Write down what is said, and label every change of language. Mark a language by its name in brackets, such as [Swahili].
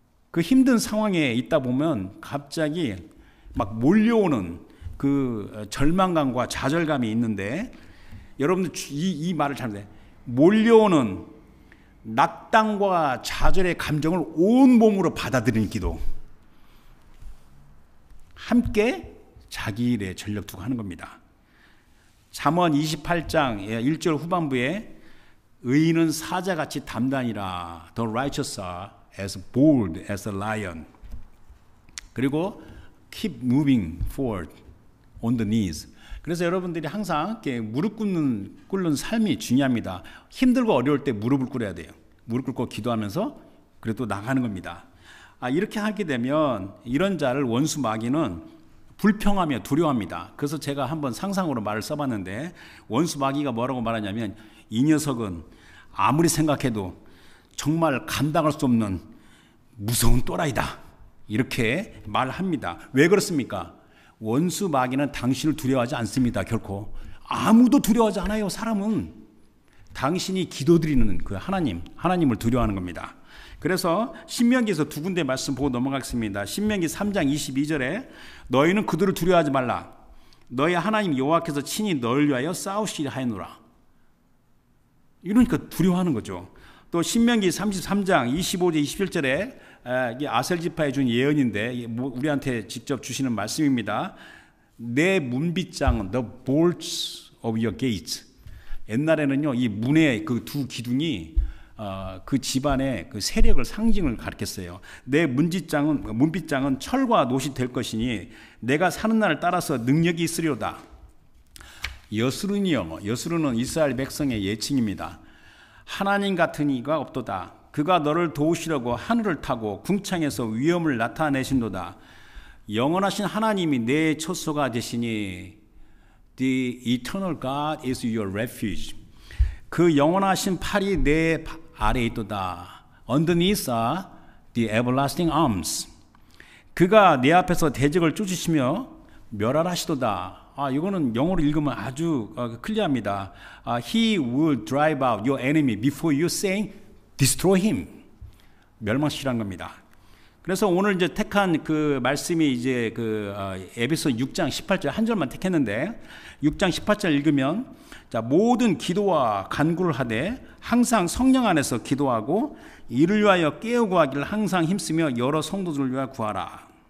[Korean] 그 힘든 상황에 있다 보면 갑자기 막 몰려오는 그 절망감과 좌절감이 있는데 여러분들 이 말을 잘 들으세요. 몰려오는 낙담과 좌절의 감정을 온몸으로 받아들이는 기도. 함께 자기 일에 전력 투구 하는 겁니다. 잠언 28장 1절 후반부에 의인은 사자같이 담단이라, [English] The righteous are as bold as a lion. 그리고 keep moving forward on the knees. [Korean] 그래서 여러분들이 항상 이렇게 무릎 꿇는 삶이 중요합니다. 힘들고 어려울 때 무릎을 꿇어야 돼요. 무릎 꿇고 기도하면서 그래도 나가는 겁니다. 이렇게 하게 되면 이런 자를 원수 마귀는 불평하며 두려워합니다. 그래서 제가 한번 상상으로 말을 써봤는데 원수 마귀가 뭐라고 말하냐면 이 녀석은 아무리 생각해도 정말 감당할 수 없는 무서운 또라이다. 이렇게 말합니다. 왜 그렇습니까? 원수 마귀는 당신을 두려워하지 않습니다. 결코 아무도 두려워하지 않아요. 사람은 당신이 기도드리는 그 하나님을 두려워하는 겁니다. 그래서 신명기에서 두 군데 말씀 보고 넘어가겠습니다. 신명기 3장 22절에 너희는 그들을 두려워하지 말라. 너희 하나님 여호와께서 친히 너를 위하여 싸우시리 하노라. 이러니까 두려워하는 거죠. 또 신명기 33장 25절 21절에 아셀지파에 준 예언인데 우리한테 직접 주시는 말씀입니다. 내 문빗장 [English] The bolts of your gates. [Korean] 옛날에는요 이 문의 그 두 기둥이 그 집안의 그 세력을 상징을 가르쳤어요. 내 문빗장은 철과 놋이 될 것이니 내가 사는 날을 따라서 능력이 있으리로다. 여스룬이요, 여스룬은 이스라엘 백성의 예칭입니다. 하나님 같은 이가 없도다. 그가 너를 도우시려고 하늘을 타고 궁창에서 위엄을 나타내신도다. 영원하신 하나님이 내 처소가 되시니 [English] The eternal God is your refuge. [Korean] 그 영원하신 팔이 내 아래 있도다. [English] Underneath are the everlasting arms. [Korean] 그가 내 앞에서 대적을 쫓으시며 멸하라시도다. 아, 이거는 영어로 읽으면 아주 클리어합니다. [English] He will drive out your enemy before you saying destroy him. [Korean] 멸망시키라는 겁니다. 그래서 오늘 이제 택한 그 말씀이 이제 그 에베소 6장 18절 한 절만 택했는데 6장 18절 읽으면 자 모든 기도와 간구를 하되 항상 성령 안에서 기도하고 이를 위하여 깨어 구하기를 항상 힘쓰며 여러 성도들을 위하여 구하라.